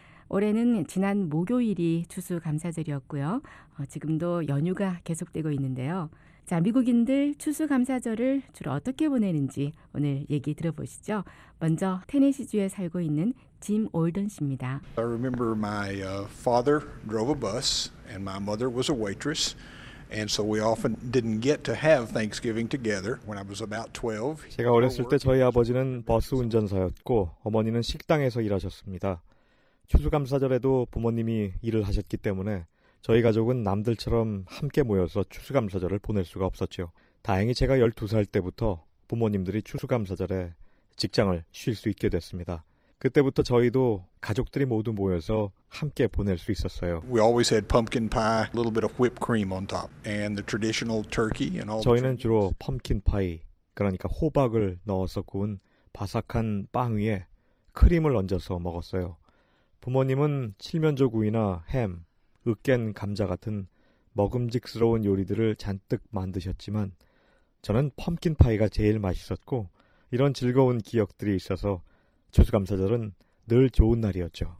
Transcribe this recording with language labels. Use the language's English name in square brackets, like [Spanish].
[Korean] 올해는 지난 목요일이 추수감사절이었고요. 지금도 연휴가 계속되고 있는데요. 자, 미국인들 추수감사절을 주로 어떻게 보내는지 오늘 얘기 들어보시죠. 먼저 테네시주에 살고 있는 짐 올든 씨입니다. [English] I remember my father drove a bus and my mother was a waitress. And so we often didn't get to have Thanksgiving together when I was about 12. [Korean] 제가 어렸을 때 저희 아버지는 버스 운전사였고 어머니는 식당에서 일하셨습니다. 추수감사절에도 부모님이 일을 하셨기 때문에 저희 가족은 남들처럼 함께 모여서 추수감사절을 보낼 수가 없었죠. 다행히 제가 12살 때부터 부모님들이 추수감사절에 직장을 쉴 수 있게 됐습니다. 그때부터 저희도 가족들이 모두 모여서 함께 보낼 수 있었어요. [English] We always had pumpkin pie, a little bit of whipped cream on top, and the traditional turkey and all. [Korean] 저희는 주로 펌킨 파이, 그러니까 호박을 넣어서 구운 바삭한 빵 위에 크림을 얹어서 먹었어요. 부모님은 칠면조 구이나 햄, 으깬 감자 같은 먹음직스러운 요리들을 잔뜩 만드셨지만 저는 펌킨 파이가 제일 맛있었고 이런 즐거운 기억들이 있어서 추수감사절은 늘 좋은 날이었죠.